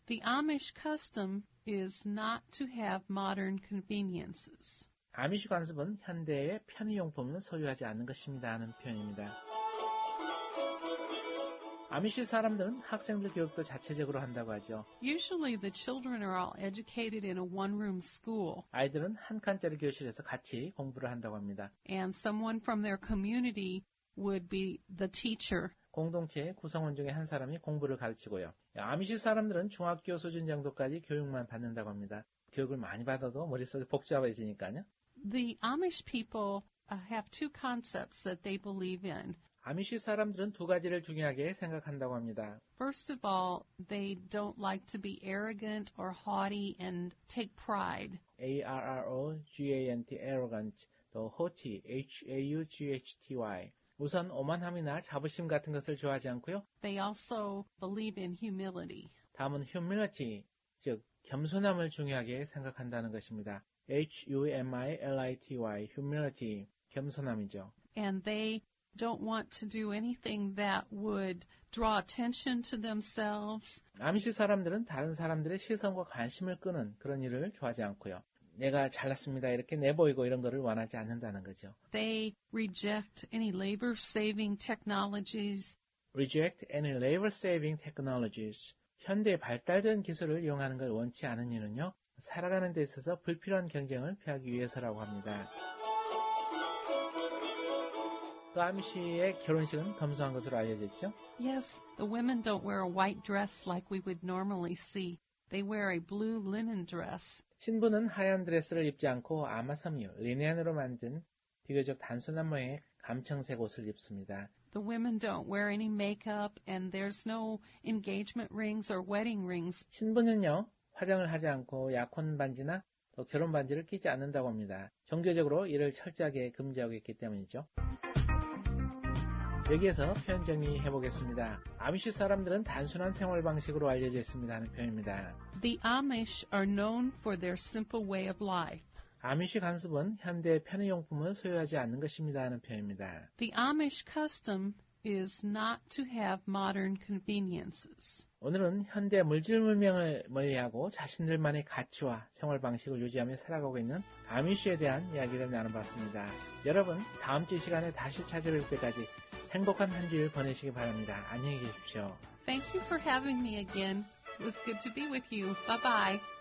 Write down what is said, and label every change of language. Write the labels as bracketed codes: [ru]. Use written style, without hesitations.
[en] The Amish custom is not to have modern conveniences. [ko] 아미시 관습은 현대의 편의용품을 소유하지 않는 것입니다 하는 표현입니다. 아미시 사람들은 학생들 교육도 자체적으로 한다고 하죠. [en] Usually the children are all educated in a one-room school. [ko] 아이들은 한 칸짜리 교실에서 같이 공부를 한다고 합니다. [en] And someone from their community would be the teacher. [ko] 공동체 구성원 중에 한 사람이 공부를 가르치고요. 아미시 사람들은 중학교 수준 정도까지 교육만 받는다고 합니다. 교육을 많이 받아도 머릿속이 복잡해지니까요. [en] The Amish people have two concepts that they believe in. [ko] 아미시 사람들은 두 가지를 중요하게 생각한다고 합니다. [en] First of all, they don't like to be arrogant or haughty and take pride. A-R-R-O-G-A-N-T, arrogant, 또 haughty, H-A-U-G-H-T-Y. [ko] 우선 오만함이나 자부심 같은 것을 좋아하지 않고요. [en] They also believe in humility. [ko] 다음은 humility, 즉 겸손함을 중요하게 생각한다는 것입니다. H-U-M-I-L-I-T-Y, humility, 겸손함이죠. [en] And they don't want to do anything that would draw attention to themselves. [ko] 아미시 사람들은 다른 사람들의 시선과 관심을 끄는 그런 일을 좋아하지 않고요. 내가 잘났습니다. 이렇게 내보이고 이런 거를 원하지 않는다는 거죠. [en] They reject any labor-saving technologies. Reject any labor-saving technologies. [ko] 현대 발달된 기술을 이용하는 걸 원치 않은 이유는요. 살아가는 데 있어서 불필요한 경쟁을 피하기 위해서라고 합니다. 또 아미시의 결혼식은 검소한 것으로 알려졌죠? [en] Yes, the women don't wear a white dress like we would normally see. They wear a blue linen dress. [ko] 신부는 하얀 드레스를 입지 않고 아마섬유, 리넨으로 만든 비교적 단순한 모양의 감청색 옷을 입습니다. [en] The women don't wear any makeup and there's no engagement rings or wedding rings. [ko] 신부는요, 화장을 하지 않고 약혼 반지나 또 결혼 반지를 끼지 않는다고 합니다. 종교적으로 이를 철저하게 금지하고 있기 때문이죠. 여기에서 표현 정리해보겠습니다. 아미시 사람들은 단순한 생활 방식으로 알려져 있습니다 하는 표현입니다. [en] The Amish are known for their simple way of life. [ko] 아미시 관습은 현대 편의용품을 소유하지 않는 것입니다 하는 표현입니다. [en] The Amish custom is not to have modern conveniences. [ko] 오늘은 현대 물질문명을 멀리하고 자신들만의 가치와 생활 방식을 유지하며 살아가고 있는 아미시에 대한 이야기를 나눠봤습니다. 여러분, 다음 주 시간에 다시 찾아뵐 때까지 행복한 한 주일 보내시기 바랍니다. 안녕히 계십시오. [en] Thank you for having me again. It was good to be with you. Bye-bye.